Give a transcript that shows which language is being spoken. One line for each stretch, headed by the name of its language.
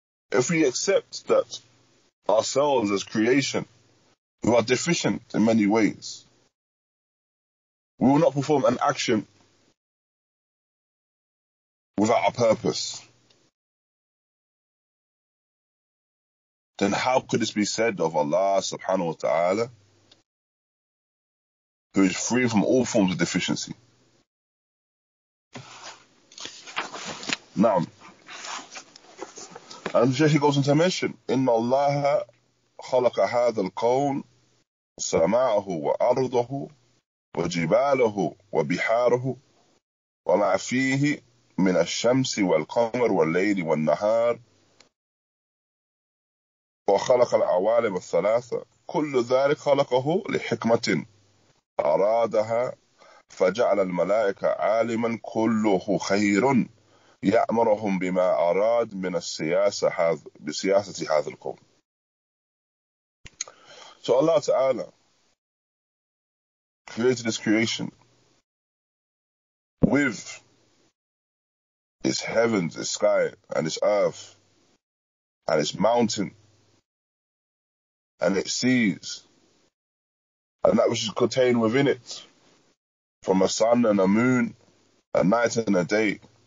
English: If we accept that ourselves as creation, we are deficient in many ways, we will not perform an action without a purpose, then how could this be said of Allah subhanahu wa ta'ala, who is free from all forms of deficiency? Now, and Shaykh goes on to mention,
Arabic: إِنَّ اللَّهَ خَلَقَ هَذَا الْقَوْنَ سَمَاءَهُ وَأَرْضَهُ وَجِبَالَهُ وَبِحَارَهُ وَمَعْ فِيهِ مِنَ الشَّمْسِ وَالْقَمَرِ وَاللَّيْلِ وَالنَّهَارِ وَخَلَقَ الْعَوَالِمَ الثَّلَاثَةِ كُلُّ ذَلِكَ خَلَقَهُ لِحِكْمَةٍ أَرَادَهَا فَجَعَلَ الْمَلَائِكَ عَالِمًا كُلُّهُ خَيْرٌ يأمرهم بما أراد من السياسة هذا بسياسة هذا القوم.
English: So Allah Ta'ala created this creation with its heavens, its sky, and its earth, and its mountain, and its seas, and that which is contained within it, from a sun and a moon, a night and a day.